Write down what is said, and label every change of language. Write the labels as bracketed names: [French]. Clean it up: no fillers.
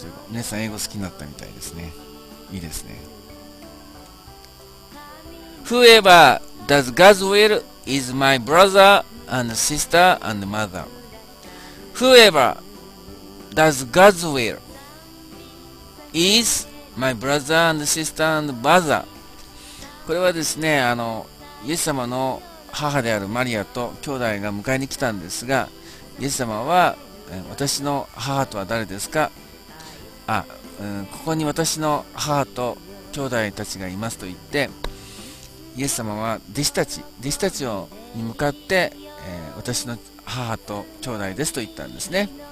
[Japanese] 皆さん英語好きになったみたいですね。いいですね。 [English] Whoever does God's will is my brother and sister and mother. Whoever does God's will is my brother and sister and mother. [Japanese] これはですね、イエス様の母であるマリアと兄弟が迎えに来たんですが、イエス様は私の母とは誰ですか、ここに私の母と兄弟たちがいますと言って、イエス様は弟子たちに向かって、私の母と兄弟ですと言ったんですね。